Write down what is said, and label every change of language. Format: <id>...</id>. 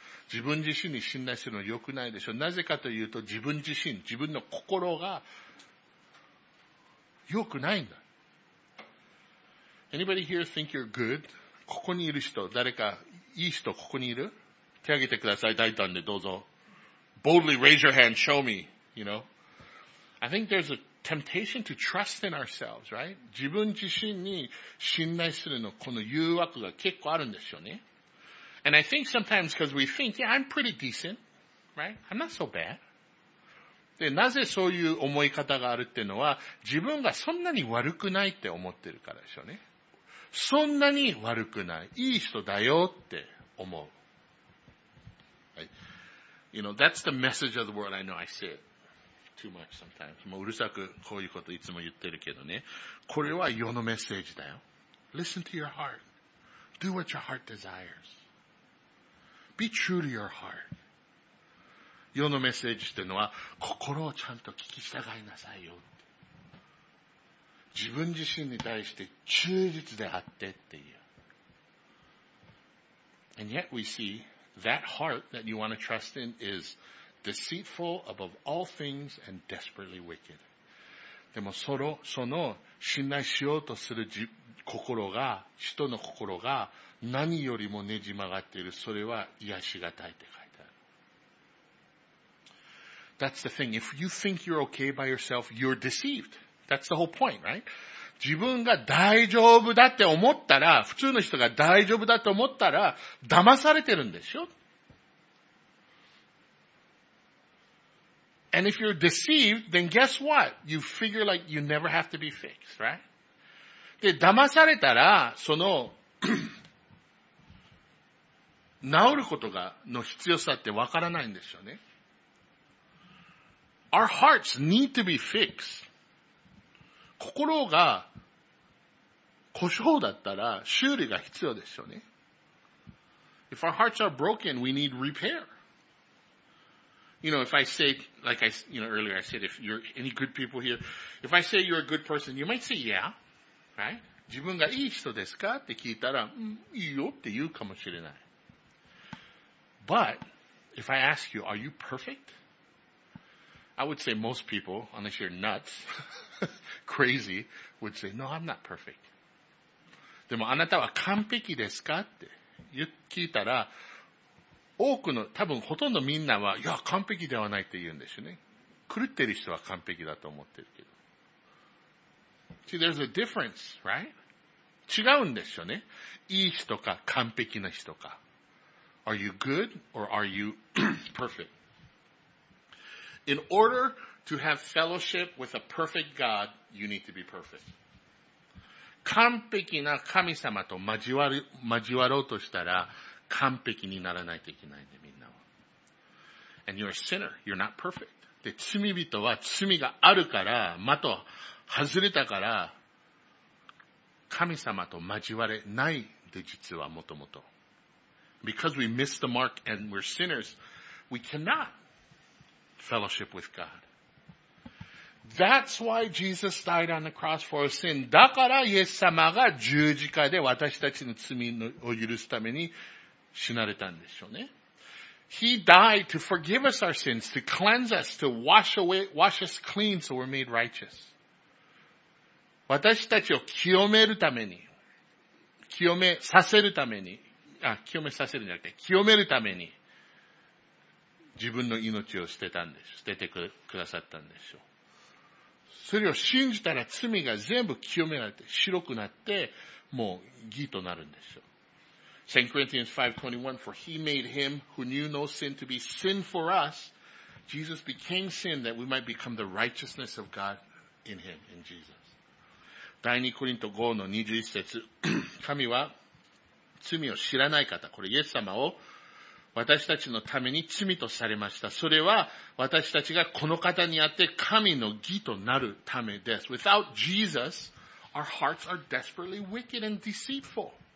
<ja>自分自身に信頼するのは良くないでしょう。なぜかというと自分自身、自分の心が良くないんだ。</ja> <en>Anybody here think you're good?</en> <ja>ここにいる人、誰かいい人ここにいる？手挙げてください。大胆でどうぞ。</ja> <en>Boldly raise your hand, show me, you know. I think there's a temptation to trust in ourselves, right?</en> <ja>自分自身に信頼するの、この誘惑が結構あるんですよね。</ja> <en>And I think sometimes because we think, yeah, I'm pretty decent, right? I'm not so bad.</en> <ja>で、なぜそういう思い方があるっていうのは、自分がそんなに悪くないって思ってるからですよね。そんなに悪くない。いい人だよって思う。</ja> <en>You know, that's the message of the world. I know I say it too much sometimes.</en> <ja>もううるさくこういうこといつも言ってるけどね。これは世のメッセージだよ。</ja> <en>Listen to your heart. Do what your heart desires. Be true to your heart.</en> <ja>世のメッセージっていうのは心をちゃんと聞き従いなさいよって。自分自身に対して忠実であってっていう。</ja> <en>And yet we seeThat heart that you want to trust in is deceitful above all things and desperately wicked.</en> <ja>でもその信頼しようとする心が、人の心が何よりもねじ曲がっている。それは癒しがたいって書いてある。</ja> <en>That's the thing. If you think you're okay by yourself, you're deceived. That's the whole point, right?</en> <ja>自分が大丈夫だって思ったら、普通の人が大丈夫だって思ったら、騙されてるんでしょ？</ja> <en>And if you're deceived, then guess what? You figure like you never have to be fixed, right?</en> <ja>で、騙されたら、その、治ることが、の必要さってわからないんですよね。</ja> <en>Our hearts need to be fixed.</en> <ja>心が故障だったら修理が必要ですよね。</ja> <en>If our hearts are broken, we need repair. You know, if I say, like I, you know, earlier I said, if you're any good people here, if I say you're a good person, you might say, yeah, right?</en> <ja>自分がいい人ですかって聞いたら、いいよって言うかもしれない。</ja> <en>But, if I ask you, are you perfect? I would say most people, unless you're nuts, crazy, would say, no, I'm not perfect.</en> <ja>でもあなたは完璧ですかって聞いたら、多くの、多分ほとんどみんなは、いや、完璧ではないって言うんですよね。狂ってる人は完璧だと思ってるけど。</ja> <en>See, there's a difference, right?</en> <ja>違うんですよね。いい人か完璧な人か。</ja> <en>Are you good or are you perfect? In order to have fellowship with a perfect God, you need to be perfect.</en> <ja>完璧な神様と交わろうとしたら、完璧にならないといけないんで、みんなは。</ja> <en>And you're a sinner, you're not perfect.</en> <ja>で、罪人は罪があるから、的外れたから、神様と交われないで、実はもともと。</ja> <en>Because we miss the mark and we're sinners, we cannot. Fellowship with God. That's why Jesus died on the cross for our sin.</en> <ja>だからイエス様が十字架で私たちの罪を許すために死なれたんでしょうね。</ja> <en>He died to forgive us our sins, to cleanse us, to wash us clean so we're made righteous.</en> <ja>私たちを清めるために、清めさせるんじゃなくて、清めるために、自分の命を捨ててくださったんでしょう。それを信じたら罪が全部清められて、白くなって、もう義となるんでしょう。</ja> <en>2 Corinthians 5:21, For he made him who knew no sin to be sin for us, Jesus became sin that we might become the righteousness of God in him, in Jesus.</en> <ja>第2コリント 5:21, 神は罪を知らない方、これイエス様を私たちのために罪とされました。それは私たちがこの方にあって神の義となるためです。</ja> <en>Without Jesus, our hearts are desperately wicked and deceitful.</en>